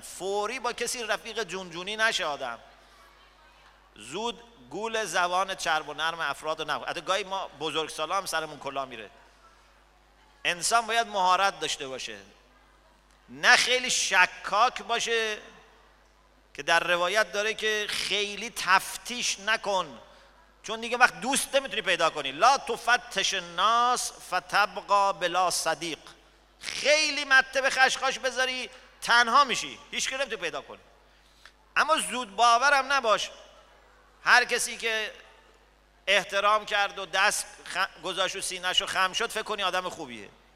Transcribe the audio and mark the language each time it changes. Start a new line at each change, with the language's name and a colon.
Persian: فوری با کسی رفیق جونجونی نشه آدم. زود گول زبان چرب و نرم افراد رو نخور. حتی گاهی ما بزرگ سالا هم سرمون کلا میره. انسان باید مهارت داشته باشه، نه خیلی شکاک باشه، که در روایت داره که خیلی تفتیش نکن، چون دیگه وقت دوست نمیتونی پیدا کنی.
Arabic: لا تفتش الناس فتبقى بلا صدیق.
Persian: خیلی مته به خشخاش بذاری، تنها میشی، هیچ کی نمیتونی پیدا کنی. اما زود باورم نباش. هر کسی که احترام کرد و دست گذاشت و سینه‌ش رو خم شد، فکر کنی آدم خوبیه.